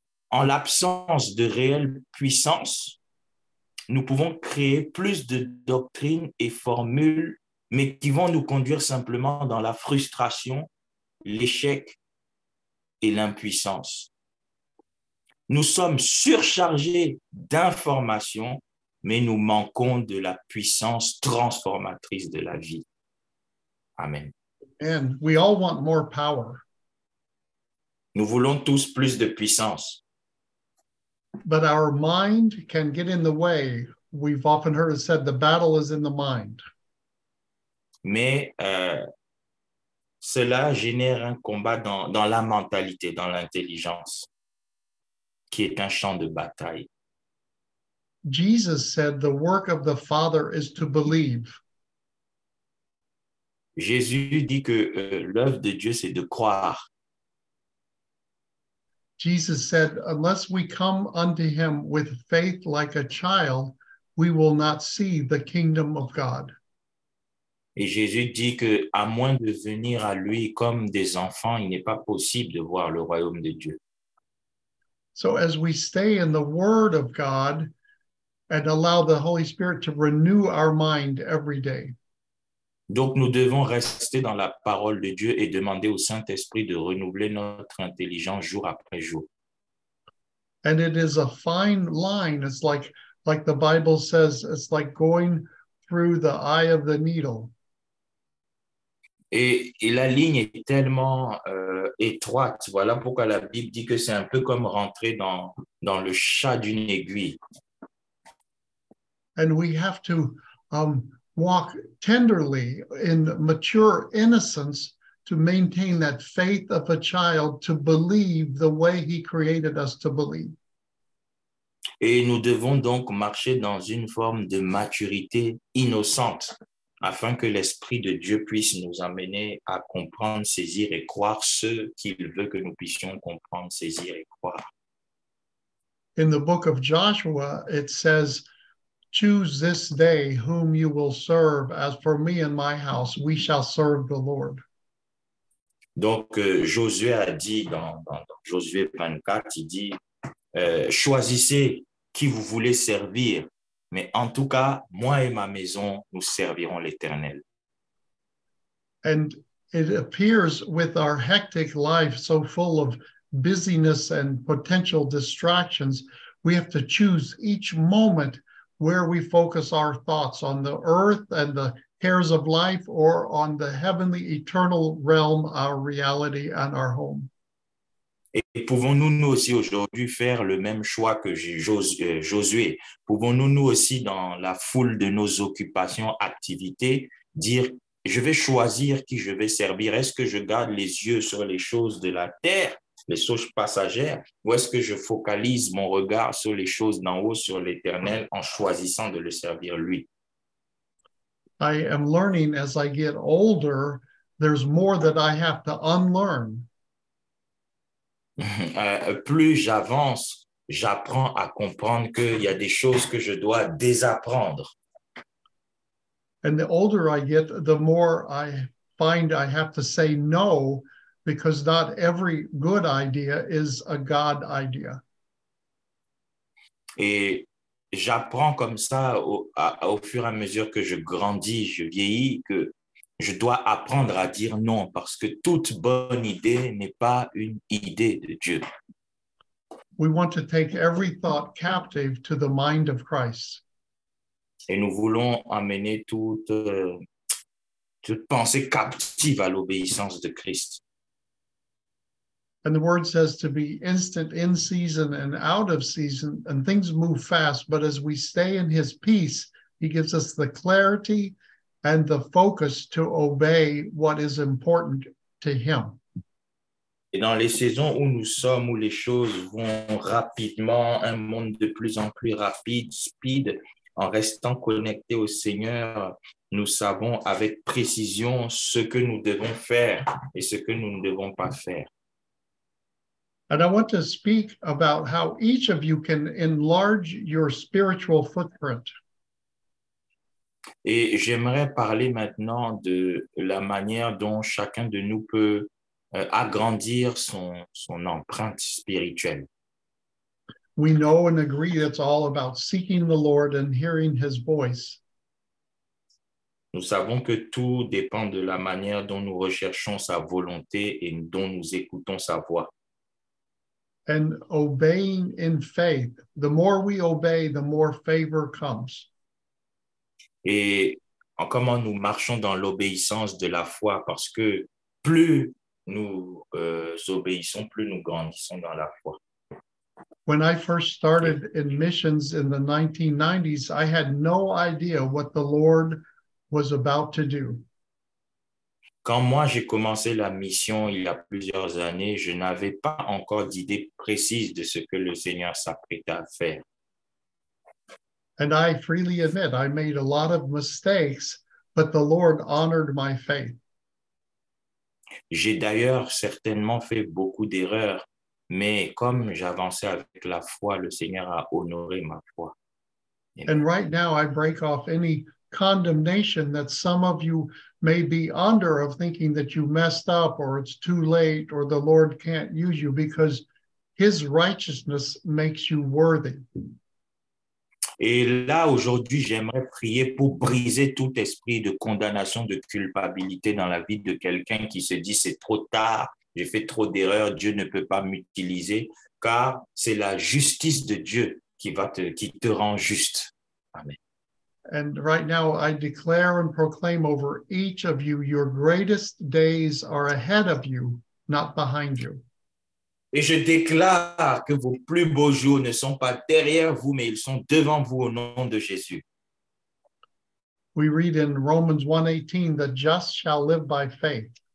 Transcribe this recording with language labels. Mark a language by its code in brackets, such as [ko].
[fr] En l'absence de réelle puissance, nous pouvons créer plus de doctrines et formules, mais qui vont nous conduire simplement dans la frustration, l'échec et l'impuissance. Nous sommes surchargés d'informations, mais nous manquons de la puissance transformatrice de la vie. Amen. [en] And we all want more power. [fr] Nous voulons tous plus de puissance. [en] But our mind can get in the way. We've often heard it said, the battle is in the mind. [fr] Mais cela génère un combat dans la mentalité, dans l'intelligence, qui est un champ de bataille. [en] Jesus said, the work of the Father is to believe. [fr] Jésus dit que l'œuvre de Dieu, c'est de croire. [en] Jesus said, unless we come unto him with faith like a child, we will not see the kingdom of God. [fr] Et Jésus dit que à moins de venir à lui comme des enfants, il n'est pas possible de voir le royaume de Dieu. [en] So as we stay in the Word of God and allow the Holy Spirit to renew our mind every day. [fr] Donc nous devons rester dans la parole de Dieu et demander au Saint-Esprit de renouveler notre intelligence jour après jour. [en] And it is a fine line. It's like the Bible says, it's like going through the eye of the needle. [fr] Et la ligne est tellement étroite. Voilà pourquoi la Bible dit que c'est un peu comme rentrer dans le chat d'une aiguille. [en] And we have to walk tenderly in mature innocence to maintain that faith of a child to believe the way he created us to believe. [fr] Et nous devons donc marcher dans une forme de maturité innocente afin que l'Esprit de Dieu puisse nous amener à comprendre, saisir et croire ce qu'il veut que nous puissions comprendre, saisir et croire. [en] In the book of Joshua, it says, "Choose this day whom you will serve. As for me and my house, we shall serve the Lord." [fr] Donc, Josué a dit dans Josué 24, il dit, choisissez qui vous voulez servir, mais en tout cas, moi et ma maison, nous servirons l'Éternel. [en] And it appears with our hectic life so full of busyness and potential distractions, we have to choose each moment where we focus our thoughts on the earth and the cares of life or on the heavenly eternal realm, our reality and our home. [fr] Et pouvons-nous nous aussi aujourd'hui faire le même choix que Josué? Pouvons-nous nous aussi dans la foule de nos occupations, activités, dire, je vais choisir qui je vais servir. Est-ce que je garde les yeux sur les choses de la terre, les choses passagères, ou est-ce que je focalise mon regard sur les choses d'en haut, sur l'Éternel, en choisissant de le servir lui? [en] I am learning as I get older, there's more that I have to unlearn. [fr] Plus j'avance, j'apprends à comprendre qu'il y a des choses que je dois désapprendre. [en] And the older I get, the more I find I have to say no, because not every good idea is a God idea. [fr] Et j'apprends comme ça au fur et à mesure que je grandis, je vieillis, que je dois apprendre à dire non parce que toute bonne idée n'est pas une idée de Dieu. [en] We want to take every thought captive to the mind of Christ. [fr] Et nous voulons amener toute pensée captive à l'obéissance de Christ. [en] And the word says to be instant in season and out of season, and things move fast, but as we stay in his peace, he gives us the clarity and the focus to obey what is important to him. [fr] Et dans les saisons où nous sommes, où les choses vont rapidement, un monde de plus en plus rapide, [en] speed, [fr] en restant connectés au Seigneur, nous savons avec précision ce que nous devons faire et ce que nous ne devons pas faire. [en] And I want to speak about how each of you can enlarge your spiritual footprint. [fr] Et j'aimerais parler maintenant de la manière dont chacun de nous peut agrandir son empreinte spirituelle. [en] We know and agree it's all about seeking the Lord and hearing his voice. [fr] Nous savons que tout dépend de la manière dont nous recherchons sa volonté et dont nous écoutons sa voix. [en] And obeying in faith. The more we obey, the more favor comes. [fr] Et comment nous marchons dans l'obéissance de la foi, parce que plus nous obéissons, plus nous grandissons dans la foi. [en] When I first started in missions in the 1990s, I had no idea what the Lord was about to do. [fr] Quand moi j'ai commencé la mission il y a plusieurs années, je n'avais pas encore d'idée précise de ce que le Seigneur s'apprêtait à faire. [en] And I freely admit I made a lot of mistakes, but the Lord honored my faith. [fr] J'ai d'ailleurs certainement fait beaucoup d'erreurs, mais comme j'avançais avec la foi, le Seigneur a honoré ma foi. [en] And right now I break off any condemnation that some of you may be under of thinking that you messed up or it's too late or the Lord can't use you because his righteousness makes you worthy. [fr] Et là, aujourd'hui, j'aimerais prier pour briser tout esprit de condamnation, de culpabilité dans la vie de quelqu'un qui se dit c'est trop tard, j'ai fait trop d'erreurs, Dieu ne peut pas m'utiliser, car c'est la justice de Dieu qui te rend juste. Amen. [en] And right now, I declare and proclaim over each of you, your greatest days are ahead of you, not behind you. [fr] Et je déclare que vos plus beaux jours ne sont pas derrière vous, mais ils sont devant vous au nom de Jésus. [en] We read in Romans 1:18, the just shall live by faith.